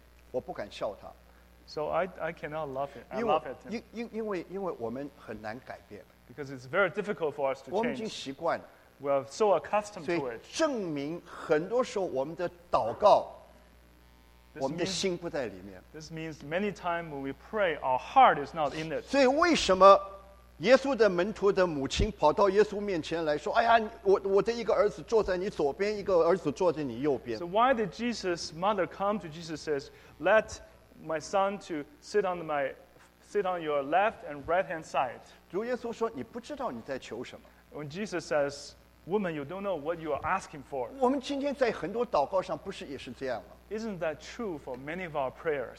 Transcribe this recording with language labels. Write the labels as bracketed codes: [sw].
[zh] 我不敢笑他 [en] So I cannot laugh at him [zh] 因为我们很难改变 [en] Because it's very difficult for us to change [zh] 我们已经习惯了 [en] We are so accustomed to it [zh] 所以证明很多时候我们的祷告我们的心不在里面 [en] This means many times when we pray our heart is not in it [zh] 所以为什么耶稣的门徒的母亲跑到耶稣面前来说：“哎呀，我的一个儿子坐在你左边，一个儿子坐在你右边。” [en] So why did Jesus' mother come to Jesus and says, "Let my son to sit on your left and right hand side"? [zh] 主耶稣说：“你不知道你在求什么。” [en] When Jesus says, "Woman, you don't know what you are asking for." [zh] 我们今天在很多祷告上不是也是这样吗 [en] ？Isn't that true for many of our prayers?